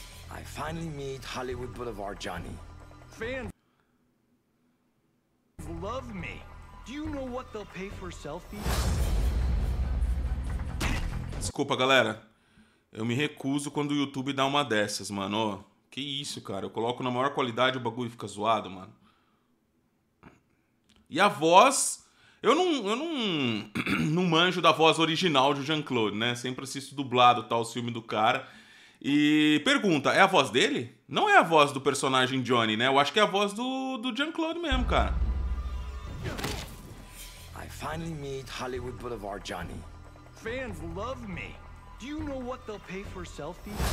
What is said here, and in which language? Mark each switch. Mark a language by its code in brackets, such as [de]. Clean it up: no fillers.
[en] I finally meet Hollywood Boulevard Johnny. Fan. Love me. Do you know what they'll pay for a selfie? [pt] Desculpa, galera. Eu me recuso quando o YouTube dá uma dessas, mano. Oh, que isso, cara? Eu coloco na maior qualidade e o bagulho fica zoado, mano. E a voz? Eu não manjo da voz original de Jean-Claude, né? Sempre assisto dublado tal filme do cara. E pergunta, é a voz dele? Não é a voz do personagem Johnny, né? Eu acho que é a voz do Jean-Claude mesmo, cara. [en] I finally meet Hollywood Boulevard Johnny. Fans love me. Do you know what they'll pay for a selfie?